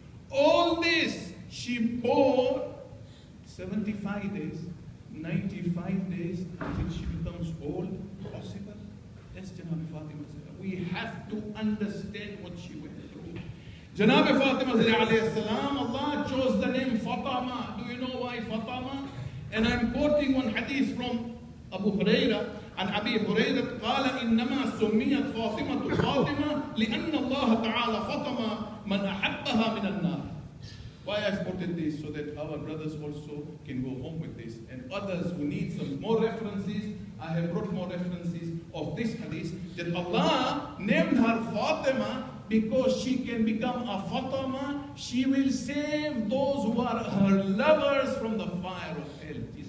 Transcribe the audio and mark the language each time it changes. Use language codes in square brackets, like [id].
[en] All this she bore 75 days, 95 days until she becomes old. Possible? That's Janabi Fatima. We have to understand what she went through. Janabi Fatima, Allah chose the name Fatama. Do you know why Fatama? And I'm quoting one hadith from Abu Huraira. [ar] عن أبي هريرة قال إنما سميت فاطمة فاطمة لأن الله تعالى فاطمة من أحبها من النار. [en] Why I've quoted this so that our brothers also can go home with this, and others who need some more references, I have brought more references of this hadith that Allah named her Fatima because she can become a Fatima. She will save those who are her lovers from the fire of hell.